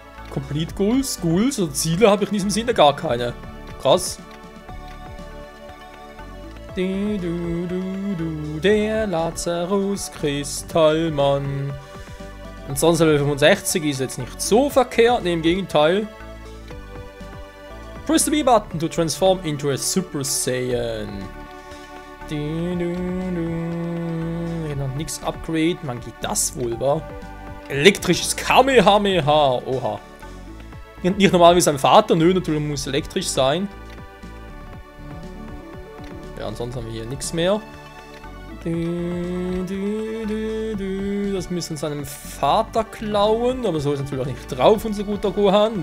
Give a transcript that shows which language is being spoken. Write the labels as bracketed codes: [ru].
[de] Complete Ghouls, Ghouls oder Ziele habe ich in diesem Sinne gar keine. Krass. Der Lazarus-Kristallmann. Ansonsten Level 65 ist jetzt nicht so verkehrt, ne, im Gegenteil. [en] Press the B-Button to transform into a Super Saiyan. [de] Ich noch nichts upgrade, man geht das wohl, wa? Elektrisches Kamehameha, oha. Nicht normal wie sein Vater, nö, natürlich muss elektrisch sein. Ja, ansonsten haben wir hier nichts mehr. Das müssen seinem Vater klauen, aber so ist natürlich auch nicht drauf, unser guter Gohan.